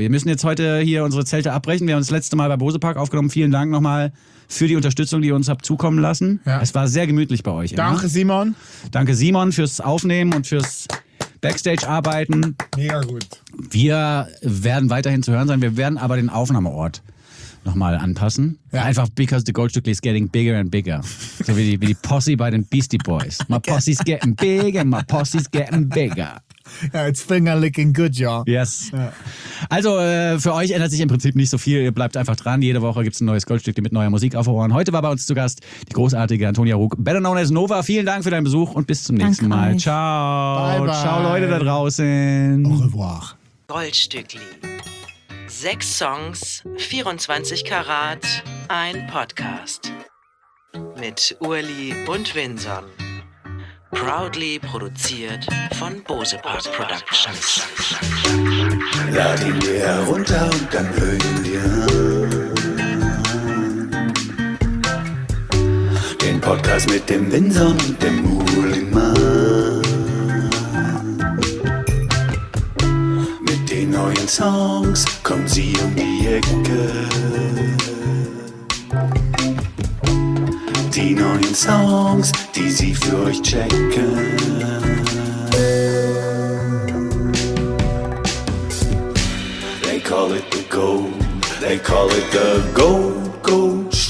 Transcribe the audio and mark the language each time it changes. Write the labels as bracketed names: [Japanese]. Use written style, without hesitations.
[German] Wir müssen jetzt heute hier unsere Zelte abbrechen. Wir haben das letzte Mal bei Bose Park aufgenommen. Vielen Dank nochmal für die Unterstützung, die ihr uns habt zukommen lassen. Ja. Es war sehr gemütlich bei euch. Danke, immer. Simon. Danke, Simon, fürs Aufnehmen und fürs Backstage-Arbeiten. Mega gut. Wir werden weiterhin zu hören sein. Wir werden aber den Aufnahmeort nochmal anpassen. Ja. Einfach [English] because the Goldstückli is getting bigger and bigger. [German] So wie die Posse bei den Beastie Boys. [English] My posse's getting bigger, my posse's getting bigger. Ja, it's finger licking good, y'all. Yes. Ja. [German] Also für euch ändert sich im Prinzip nicht so viel. Ihr bleibt einfach dran. Jede Woche gibt es ein neues Goldstück mit neuer Musik auf Ohren. Heute war bei uns zu Gast die großartige Antonia Ruck, [English] better known as [German] Nova. Vielen Dank für deinen Besuch und bis zum nächsten Danke Mal. Euch. Ciao. [English] Bye, bye. [German] Ciao, Leute da draußen. [French] Au revoir. [German] Goldstückli. 6 Songs, 24 Karat, ein Podcast. Mit Urli und Winson. Proudly produziert von Bose Park Productions. Lad ihn dir herunter und dann hör ihn dir an. Den Podcast mit dem Winson und dem Uli Mann. Mit den neuen Songs kommen sie um die Ecke. Die neuen Songs, die sie für euch checken. [English] They call it the gold, they call it the gold, gold.